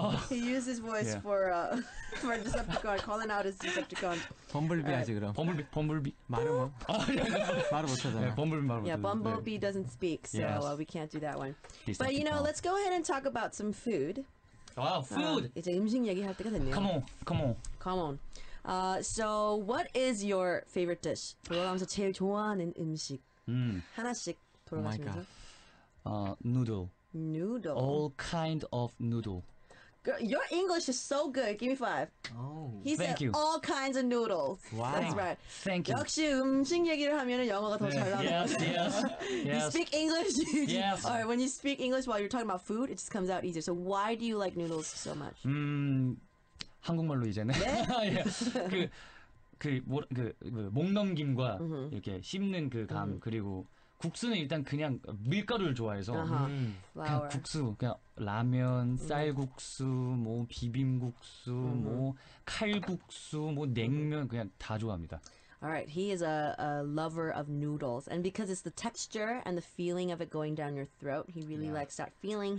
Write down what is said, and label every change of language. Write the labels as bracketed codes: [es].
[en] He used his voice yeah. for Decepticon, calling out his Decepticon. [ko] Bumblebee 하지 그럼. [en] Bumblebee. [ko] 말을 못. 말을 못 하잖아. Bumblebee 말을 못. [en] Yeah, Bumblebee doesn't speak, so we can't do that one. But you know, let's go ahead and talk about some food. Wow, food! [ko] 이제 음식 얘기할 때가 됐네요. [en] Come on. So, what is your favorite dish? [ko] 돌아가면서 제일 좋아하는 음식. 하나씩 돌아가시면서. [en] Noodle. All kind of noodle. Girl, your English is so good. Give me five. Oh, thank you. All kinds of noodles. Wow. That's right. Thank you. [ko] 역시 음식 얘기를 하면은 영어가 더 잘 나와요. [en] Yes. You speak English. Yes. All right. When you speak English while you're talking about food, it just comes out easier. So why do you like noodles so much? [ko] 한국말로 이제는. 네. 그 목 넘김과 이렇게 씹는 그 감 그리고. 국수는 일단 그냥 밀가루를 좋아해서 uh-huh. 그냥 국수 그냥 라면 쌀국수 뭐 비빔국수 뭐 칼국수 뭐 냉면 그냥 다 좋아합니다. [en] Alright, he is a lover of noodles, and because it's the texture and the feeling of it going down your throat, he really likes that feeling.